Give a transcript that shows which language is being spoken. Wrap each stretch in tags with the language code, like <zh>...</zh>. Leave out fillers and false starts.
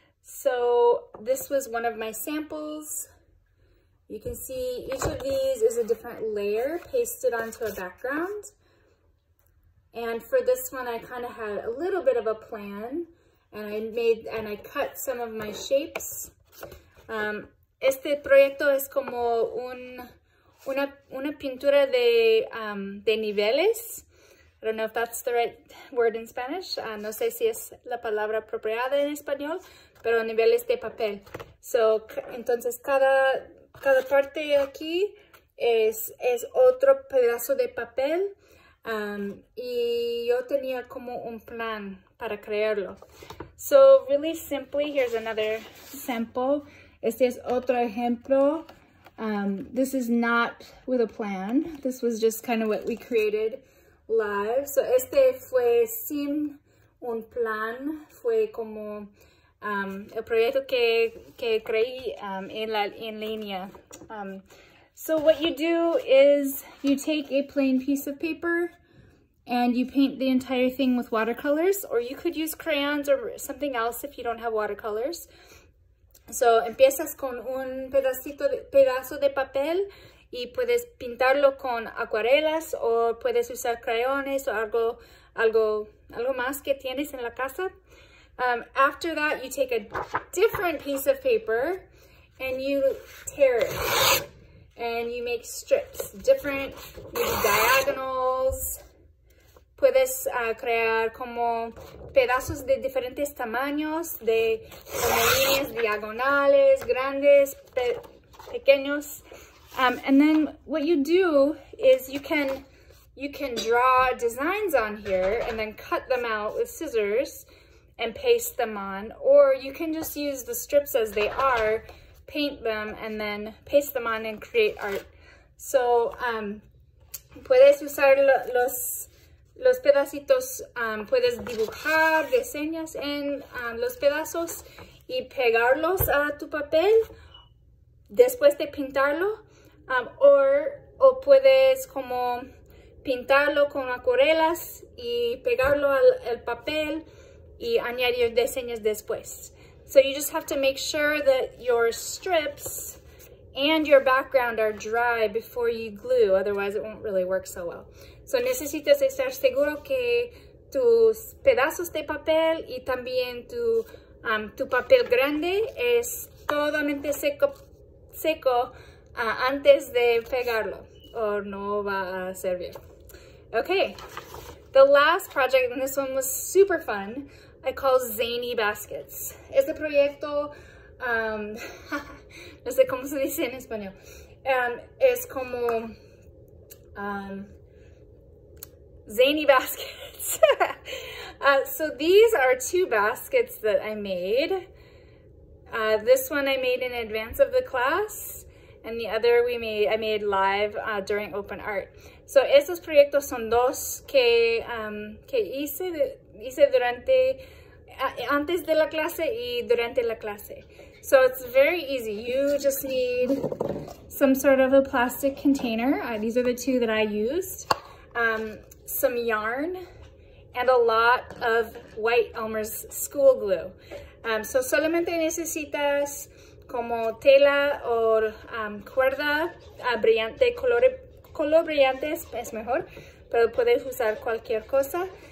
<en>So this was one of my samples. You can see each of these is a different layer pasted onto a background. And for this one, I kind of had a little bit of a plan, and I cut some of my shapes.</en> <es>Este proyecto es como una pintura de niveles.</es> <en>I don't know if that's the right word in Spanish.</en> <es>No sé si es la palabra apropiada en español, pero niveles de papel. So, entonces cada parte aquí es otro pedazo de papel. Y yo tenía como un plan para crearlo.</es> <en>So, really simply, here's another sample.</en> <es>Este es otro ejemplo.</es> <en>This is not with a plan. This was just kind of what we created live.</en> <es>So este fue sin un plan, fue como el proyecto que creí en línea.</es> <en>So what you do is you take a plain piece of paper and you paint the entire thing with watercolors, or you could use crayons or something else if you don't have watercolors.</en> <es>So empiezas con un pedazo de papel y puedes pintarlo con acuarelas o puedes usar crayones o algo más que tienes en la casa.</es> <en>After that, you take a different piece of paper and you tear it. And you make strips, different, maybe diagonals.</en> <es>Puedes crear como pedazos de diferentes tamaños, de como líneas diagonales, grandes, pequeños.</es> <en>And then what you do is you can draw designs on here and then cut them out with scissors and paste them on, or you can just use the strips as they are, paint them and then paste them on and create art.</en> <es>So puedes usar los pedacitos, puedes dibujar diseños en los pedazos y pegarlos a tu papel después de pintarlo. O puedes como pintarlo con acuarelas y pegarlo al papel y añadir diseños después.</es> <en>So you just have to make sure that your strips and your background are dry before you glue, otherwise it won't really work so well.</en> <es>So necesitas estar seguro que tus pedazos de papel y también tu papel grande es totalmente seco antes de pegarlo, or no va a servir.</es> <en>Okay, the last project, and this one was super fun, I call Zany Baskets.</en> <es>Este proyecto, no sé cómo se dice en español, es como Zany Baskets.</es> <en>So these are two baskets that I made. This one I made in advance of the class, and the other I made live during open art.</en> <es>So esos proyectos son dos que hice durante antes de la clase y durante la clase.</es> <en>So it's very easy. You just need some sort of a plastic container. These are the two that I used. Some yarn and a lot of white Elmer's school glue.</en> <es>So solamente necesitas como tela o cuerda brillante, color brillante es mejor, pero puedes usar cualquier cosa.</es>